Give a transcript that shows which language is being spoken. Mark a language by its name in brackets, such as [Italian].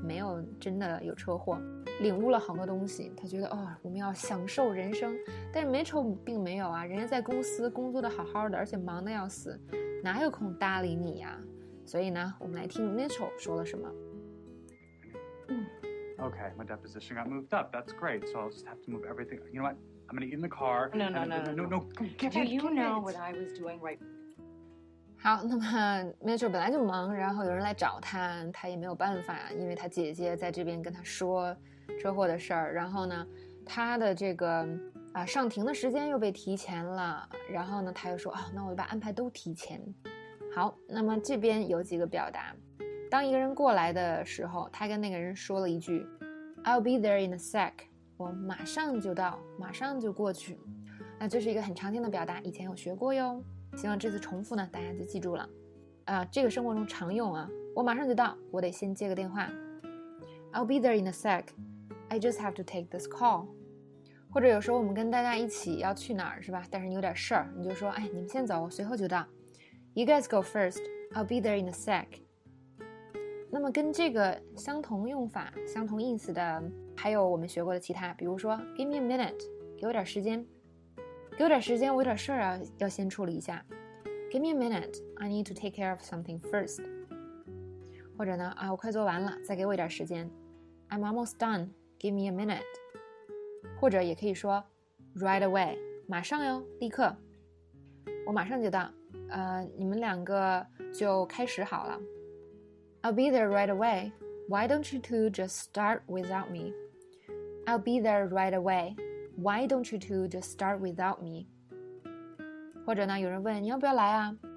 [Chinese] 没有真的有车祸，领悟了好多东西。他觉得哦，我们要享受人生，但是Mitchell并没有啊，人家在公司工作的好好的，而且忙得要死，哪有空搭理你呀？所以呢，我们来听 Mitchell 说了什么。 [English] Okay, my deposition got moved up. That's great. So I'll just have to move everything. You know what? I'm going to get in the car. No, no, no. Do you know what I was doing right? [Chinese] 好，那么 Mitchell 本来就忙，然后有人来找他，他也没有办法，因为他姐姐在这边跟他说车祸的事儿。然后呢，他的这个上庭的时间又被提前了。然后呢，他又说啊，那我就把安排都提前。好，那么这边有几个表达。当一个人过来的时候，他跟那个人说了一句 [English] I'll be there in a sec， [Chinese] 我马上就到，马上就过去。那这是一个很常见的表达，以前有学过哟，希望这次重复呢大家就记住了啊。这个生活中常用啊，我马上就到，我得先接个电话。 [English] I'll be there in a sec， I just have to take this call。 [Chinese] 或者有时候我们跟大家一起要去哪儿，是吧？但是你有点事儿，你就说哎，你们先走，我随后就到。 [English] You guys go first， I'll be there in a sec。 [Chinese] 那么跟这个相同用法相同意思的还有我们学过的其他，比如说 [English] Give me a minute， [Chinese] 给我点时间，给我点时间，我有点事儿啊，要先处理一下。 [English] Give me a minute， I need to take care of something first。 [Chinese] 或者呢啊，我快做完了，再给我一点时间。 [English] I'm almost done， Give me a minute。 [Chinese] 或者也可以说 [English] Right away， [Chinese] 马上哟，立刻，我马上就到，你们两个就开始好了。 [English] I'll be there right away. Why don't you two just start without me? I'll be there right away. Why don't you two just start without me? [Chinese] 或者呢，有人问你要不要来啊？